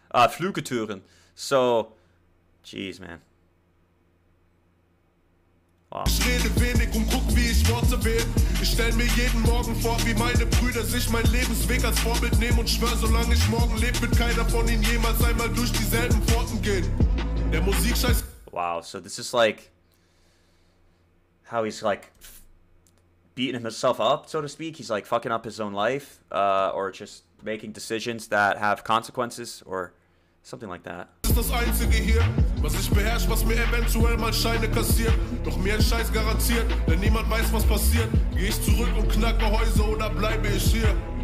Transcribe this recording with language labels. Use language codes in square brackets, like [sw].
[en] Flügeltüren. So, jeez, man. [de] Ich rede wenig und guck, wie ich Worte wähle. Ich stell mir jeden Morgen vor, wie meine Brüder sich mein Lebensweg als Vorbild nehmen und schwör, solange ich morgen lebe, wird keiner von ihnen jemals einmal durch dieselben Pforten gehen. Der Musikscheiß. [en] Wow, so this is like how he's like beating himself up, so to speak. He's like fucking up his own life, or just making decisions that have consequences, or something like that. [de] Das einzige hier, was ich beherrsche, was mir eventuell mal Scheine kassiert. Doch mir ein Scheiß garantiert, denn niemand weiß, was passiert. Geh ich zurück und knacke Häuser oder bleibe ich hier?